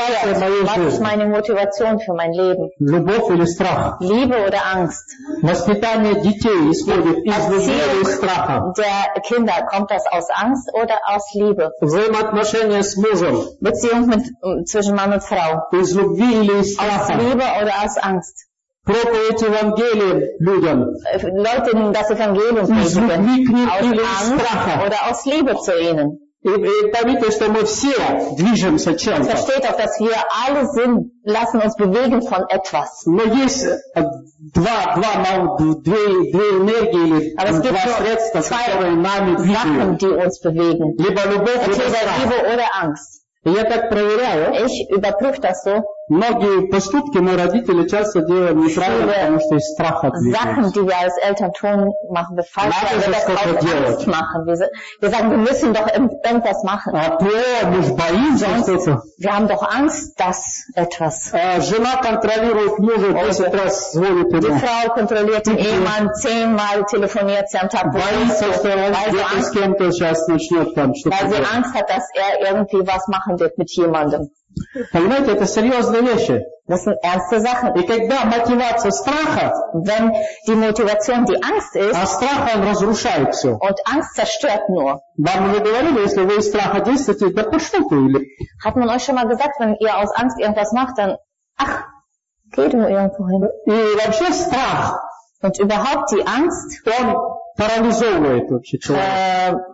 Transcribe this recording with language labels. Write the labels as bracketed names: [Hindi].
[German] Was ist meine Motivation für mein Leben? [Russian] Любовь или страх? [German] Liebe oder Angst? [Russian] Воспитание детей исходит из любви или страха? [German] Der Kinder, kommt das aus Angst oder aus Liebe? [Russian] Взаимоотношения с мужем? [German] Beziehung mit, zwischen Mann und Frau? [Russian] Из любви или из страха? [German] Aus Liebe oder aus Angst? [Russian] Проповедь Евангелия людям. [German] Leute, das Evangelium [Russian] из любви к ним [German] aus [Russian] или из страха? [German] Oder aus Liebe zu ihnen? [Russian] И поймите, что мы все движемся чем-то. [German] Versteht auch, dass wir alle sind, lassen uns bewegen von etwas. [Russian] Но есть две энергии или два средства, которые нами двигают. Либо любовь, либо страх. [German] Liebe oder Angst. [Russian] Я так проверяю. [German] Ich überprüfe das so. [Russian] Многие поступки мы родители часто делаем неправильно, потому что из страха двигаемся. [German] Sachen, die wir als Eltern tun, machen wir falsch, weil wir das aus Angst machen. Wir sagen, wir müssen doch irgendwas machen. Wir haben doch Angst, dass etwas. [Russian] Жена контролирует мужа 10 раз звонит ему. [German] Die Frau kontrolliert den Ehemann 10-mal telefoniert sie am Tag. Weil sie Angst hat, dass er irgendwie was machen wird mit jemandem. [Russian] Понимаете, это серьезные вещи. [German] Das sind ernste Sachen. [Russian] И когда мотивация страха, [German] wenn die Motivation die Angst ist, [Russian] а страх он разрушает все. [German] Und Angst zerstört nur. [Russian] Вам уже говорили, если вы из страха действуете, да пошли ты или... [German] Hat man euch schon mal gesagt, wenn ihr aus Angst irgendwas macht, dann, ach, geht nur irgendwo hin. [Russian] И вообще страх. [German] Und überhaupt die Angst, [Russian] он парализовывает вообще человека.